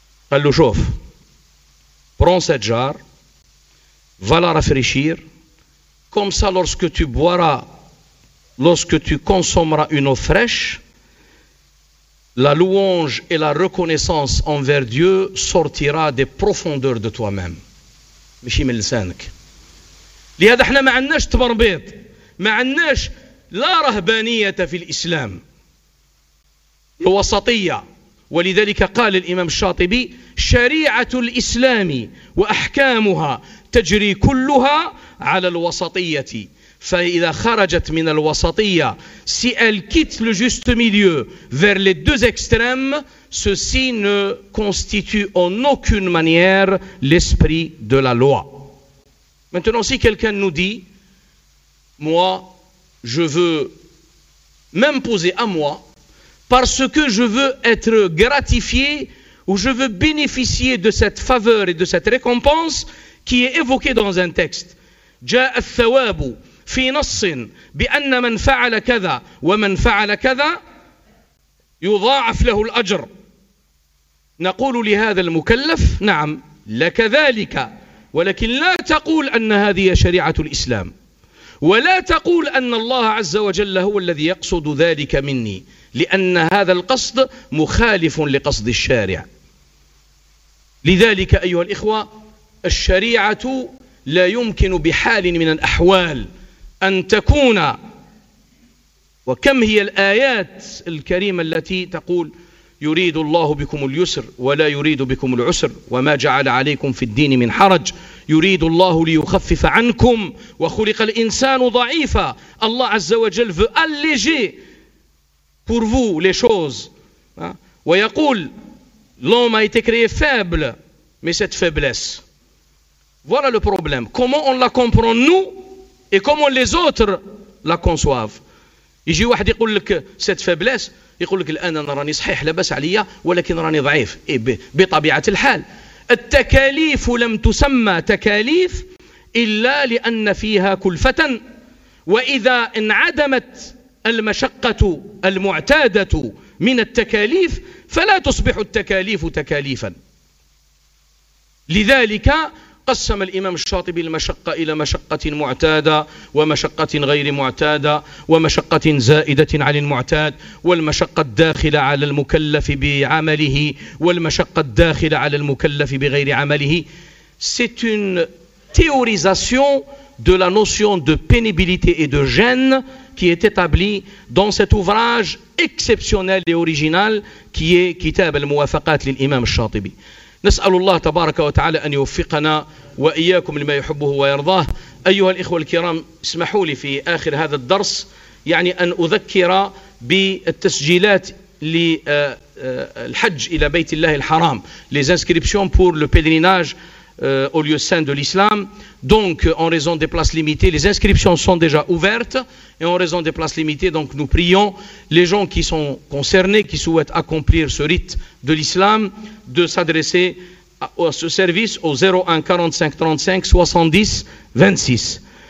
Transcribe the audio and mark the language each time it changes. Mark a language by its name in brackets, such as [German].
[French] Allô, chauffe, prends cette jarre, va la rafraîchir. Comme ça, lorsque tu boiras, lorsque tu consommeras une eau fraîche, la louange et la reconnaissance envers Dieu sortira des profondeurs de toi-même. [Arabic] ماشي من لسانك. لهذا احنا ما عندناش تبربيط، ما عندناش لا رهبانية في الإسلام، الوسطية. ولذلك قال الإمام الشاطبي: شريعة الإسلام وأحكامها تجري كلها على الوسطية، فإذا خرجت من الوسطية، [French] si elle quitte le juste milieu vers les deux extrêmes, ceci ne constitue en aucune manière l'esprit de la loi. Maintenant, si quelqu'un nous dit, moi, je veux m'imposer à moi, parce que je veux être gratifié ou je veux bénéficier de cette faveur et de cette récompense qui est évoquée dans un texte. [Arabic] جاء الثواب في نص بأن من فعل كذا ومن فعل كذا يضاعف له الأجر. نقول لهذا المكلف نعم لك ذلك، ولكن لا تقول أن هذه شريعة الإسلام، ولا تقول أن الله عز وجل هو الذي يقصد ذلك مني، لأن هذا القصد مخالف لقصد الشارع. لذلك أيها الإخوة، الشريعة لا يمكن بحال من الأحوال أن تكون، وكم هي الآيات الكريمة التي تقول يريد الله بكم اليسر ولا يريد بكم العسر، وما جعل عليكم في الدين من حرج، يريد الله ليخفف عنكم، وخلق الإنسان ضعيفا. الله عز وجل [French] veut alléger pour vous les choses، [Arabic] ويقول [French] l'homme a été créé faible mais cette faiblesse. Voilà le problème. Comment on la comprend nous et comment les autres la conçoivent. [Arabic] يجي واحد يقول لك [French] cette faiblesse، [Arabic] يقول لك الآن أنا راني صحيح لبس عليا ولكن راني ضعيف. إيه بطبيعة الحال التكاليف لم تسمى تكاليف إلا لأن فيها كلفة، وإذا انعدمت المشقة المعتادة من التكاليف فلا تصبح التكاليف تكاليفا. لذلك قسم الإمام الشاطبي المشقة إلى مشقة معتادة ومشقة غير معتادة ومشقة زائدة عن المعتاد، والمشقة الداخلة على المكلف بعمله والمشقة الداخلة على المكلف بغير عمله. [French] C'est une théorisation de la notion de pénibilité et de gêne qui est établie dans cet ouvrage exceptionnel et original qui est [Arabic] كتاب الموافقات للإمام الشاطبي. نسأل الله تبارك وتعالى أن يوفقنا وإياكم لما يحبه ويرضاه. أيها الإخوة الكرام، اسمحوا لي في آخر هذا الدرس يعني أن أذكر بالتسجيلات للحج إلى بيت الله الحرام، [French] les inscriptions pour le pèlerinage au lieu saint de l'islam. Donc en raison des places limitées, les inscriptions sont déjà ouvertes et en raison des places limitées, donc nous prions les gens qui sont concernés, qui souhaitent accomplir ce rite de l'islam, de s'adresser à ce service au 01 45 35 70 26.